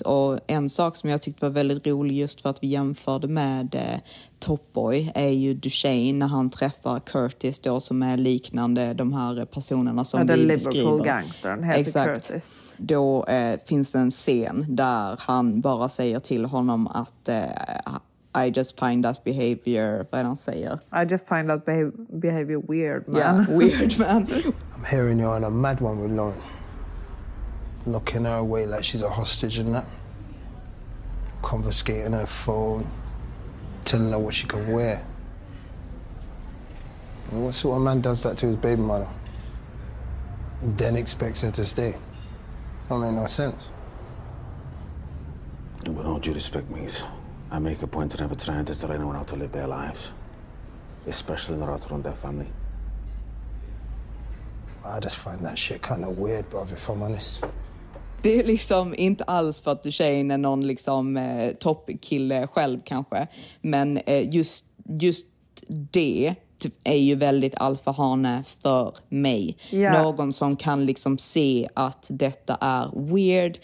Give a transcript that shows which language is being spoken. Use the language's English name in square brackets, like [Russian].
[Swedish] Och en sak som jag tyckte var väldigt rolig, just för att vi jämförde med Topboy, är ju Duchesne när han träffar Curtis då, som är liknande de här personerna som vi Liverpool beskriver. Liverpool gangstern heter exakt. Curtis. Då finns det en scen där han bara säger till honom att [English] I just find that behavior, [Swedish] vad han säger. [English] I just find that behavior weird, man. Yeah, weird, man. I'm hearing you're on a mad one with Lauren. Locking her away like she's a hostage and that. Confiscating her phone. Telling her what she can wear. And what sort of man does that to his baby mother? Then expects her to stay. That makes no sense. And with all due respect, Mies, I make a point to never try and tell anyone how to live their lives. Especially not out around their family. I just find that shit kind of weird, brother, if I'm honest. [Swedish] Det är liksom inte alls för att du tjejen är någon liksom toppkille själv kanske. Men just det är ju väldigt alfahane för mig. [English] Yeah. [Swedish] Någon som kan liksom se att detta är weird.